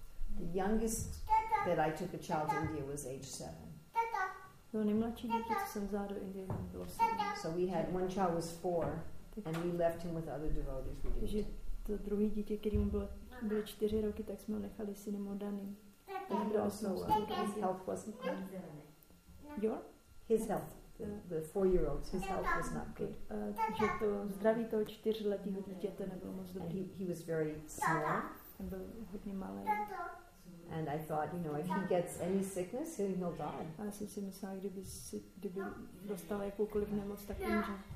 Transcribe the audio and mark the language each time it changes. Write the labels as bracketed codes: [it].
[en] The youngest that I took a child to India was age 7. [cs] No nejmladší dítě, co jsem vzala do Indie, bylo 7. [en] So we had one child was 4. And we left him with other devotees. [cs] Takže to druhý dítě, který mu bylo 4 roky, tak jsme ho nechali s jiným oddaným. [en] His health wasn't good. Your? His health. The 4-year-old's his health was not good. [cs] Takže to zdraví toho 4-letého dítěte nebylo moc dobrý. [en] He was very small. [cs] On byl hodně malý. [en] And I thought, you know, if he gets any sickness, he'll die. [cs] A já jsem si myslela, kdyby dostal jakoukoliv nemoc, tak umře.